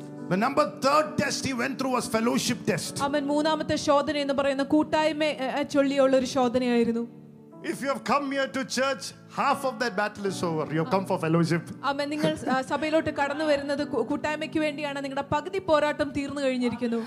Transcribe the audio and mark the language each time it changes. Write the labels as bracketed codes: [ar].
[en] The number third test he went through was fellowship test. Amen. [ml] മൂന്നാമത്തെ ശോധന എന്ന് പറയുന്ന കൂട്ടായ്മയെ ചൊല്ലിയുള്ള ഒരു ശോധനയായിരുന്നു. [en] If you have come here to church, half of that battle is over. You have come for fellowship. Amen. [ml] നിങ്ങൾ സഭയിലോട്ട് കടന്നു വരുന്നത് കൂട്ടായ്മയ്ക്ക് വേണ്ടിയാണ്. നിങ്ങളുടെ പകുതി പോരാട്ടം തീർന്നു കഴിഞ്ഞിരിക്കുന്നു.